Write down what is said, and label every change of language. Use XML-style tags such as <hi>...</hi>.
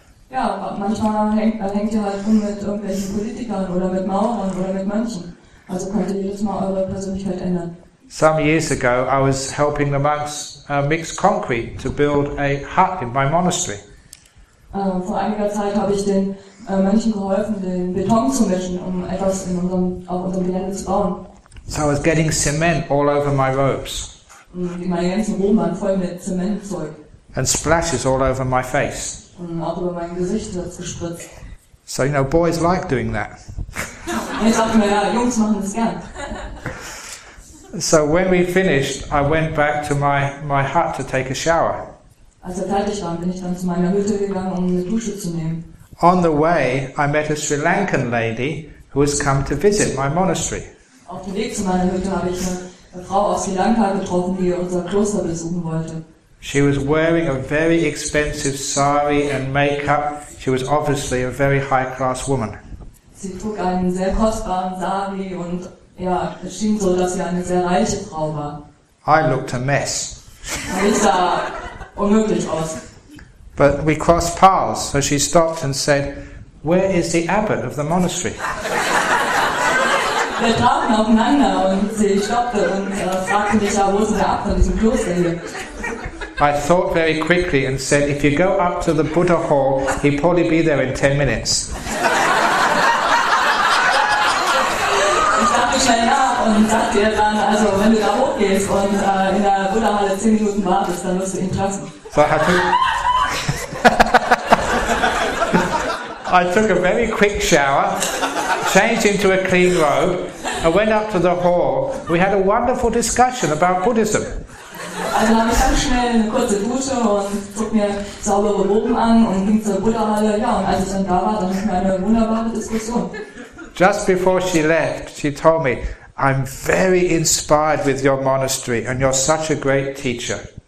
<de>Ja, manchmal hängt ihr halt rum mit irgendwelchen Politikern oder mit Mauern oder mit Mönchen. Also könnt ihr jedes Mal eure Persönlichkeit ändern.</de> <en>Some years ago, I was helping the monks mix concrete to build a hut in my monastery.</en> <de>Vor einiger Zeit habe ich den Mönchen geholfen, den Beton zu mischen, um etwas in unserem Gelände zu bauen.</de> <en>So I was getting cement all over my robes.</en> <de>Und meine ganzen Roben waren voll mit Zementzeug.</de> <en>And splashes all over my face.</en> <de>Und auch über mein Gesicht hat es gespritzt.</de> <en>So, you know, boys like doing that.</en> <de>Und ich dachte mir, ja, Jungs machen das gern.</de> <en>So when we finished, I went back to my hut to take a shower.</en> <de>Als wir fertig waren, bin ich dann zu meiner Hütte gegangen, um eine Dusche zu nehmen.</de> <en>On the way, I met a Sri Lankan lady who has come to visit my monastery.</en> <de>Auf dem Weg zu meiner Hütte habe ich eine Frau aus Sri Lanka getroffen, die unser Kloster besuchen wollte.</de> <en>She was wearing a very expensive sari and makeup. She was obviously a very high class woman.</en> <de>Sie trug einen sehr kostbaren Sari und ja, es schien so, dass sie eine sehr reiche Frau war.</de> <en>I looked a mess.</en> <de>Ich sah unmöglich aus.</de> <en>But we crossed paths, so she stopped and said, "Where is the abbot of the monastery?"</en> <de>Wir trafen aufeinander und sie stoppte und fragte mich, ja, wo ist der Abt von diesem Kloster hier?</de> <en>I thought very quickly and said, if you go up to the Buddha Hall, he'll probably be there in 10 minutes.</en> <de>Ich dachte schnell nach und sagte ihr dann, also wenn du da hochgehst und in der Buddha Halle 10 Minuten wartest, dann wirst du ihn treffen.</de> <en>So I took, I took a very quick shower. Changed into a clean robe and went up to the hall. We had a wonderful discussion about Buddhism.</en> <de>Also habe ich ganz schnell eine kurze Dusche und zog mir saubere Roben an und ging zur Buddha-Halle. Ja, und als ich dann da war, dann hatte ich eine wunderbare Diskussion.</de> <en>Just before she left, she told me, "I'm very inspired with your monastery and you're such a great teacher."</en>